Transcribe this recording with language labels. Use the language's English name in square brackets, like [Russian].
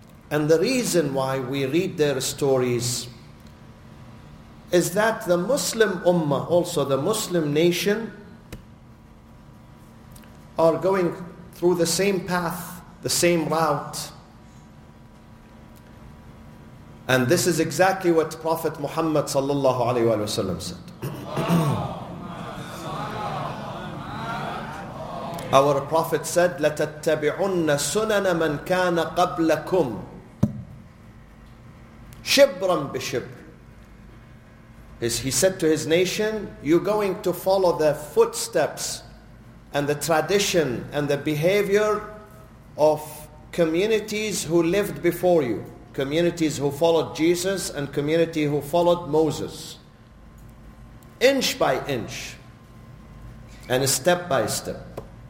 [English] And the reason why we read their stories is that the Muslim Ummah, also the Muslim nation, are going through the same path, the same route. And this is exactly what Prophet Muhammad sallallahu alaihi wa sallam said. Our Prophet said, [Arabic] لَتَتَّبِعُنَّ سُنَنَ مَنْ كَانَ قَبْلَكُمْ شِبْرًا بِشِبْرٍ. [English] He said to his nation, you're going to follow the footsteps and the tradition and the behavior of communities who lived before you, communities who followed Jesus and community who followed Moses, inch by inch and step by step.